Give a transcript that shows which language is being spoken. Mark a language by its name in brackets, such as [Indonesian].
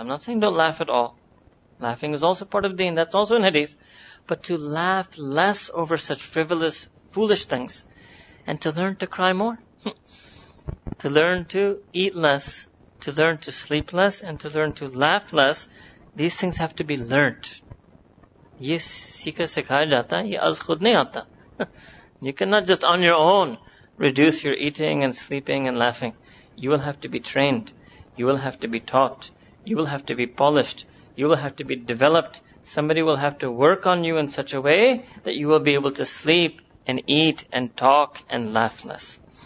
[English] I'm not saying don't laugh at all. Laughing is also part of deen, that's also in hadith. But to laugh less over such frivolous, foolish things, and to learn to cry more, to learn to eat less, to learn to sleep less, and to learn to laugh less, these things have to be learnt. [Urdu] یہ سکھا سکھایا جاتا، یہ از خود نہیں آتا. [English] You cannot just on your own reduce your eating and sleeping and laughing. You will have to be trained. You will have to be taught. You will have to be polished. You will have to be developed. Somebody will have to work on you in such a way that you will be able to sleep and eat and talk and laugh less.